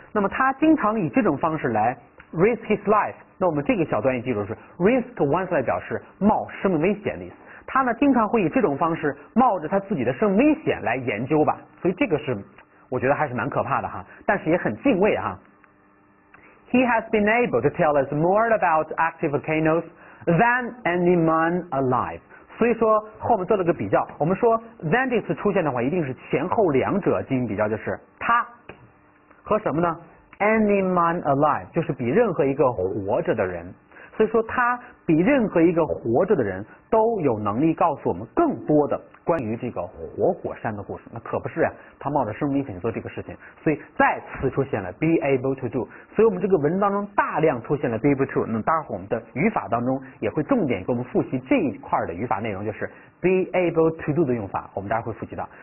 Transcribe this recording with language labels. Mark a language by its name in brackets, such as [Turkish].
[Chinese] 那么他经常以这种方式来 [English] risk his life， [Chinese] 那我们这个小短语记住是 [English] risk one's life [Chinese] 表示冒生命危险的意思，他呢经常会以这种方式冒着他自己的生命危险来研究吧，所以这个是我觉得还是蛮可怕的哈，但是也很敬畏哈。 [English] He has been able to tell us more about active volcanoes than any man alive. [Chinese] 所以说后面做了个比较，我们说 than 这次出现的话一定是前后两者进行比较，就是他和什么呢 [English] any man alive， [Chinese] 就是比任何一个活着的人，所以说他比任何一个活着的人都有能力告诉我们更多的关于这个活火山的故事。那可不是啊，他冒着生命危险做这个事情，所以再次出现了 [English] be able to do， [Chinese] 所以我们这个文章中大量出现了 [English] be able to， [Chinese] 那待会儿我们的语法当中也会重点给我们复习这一块的语法内容，就是 [English] be able to do [Chinese] 的用法，我们待会儿会复习到。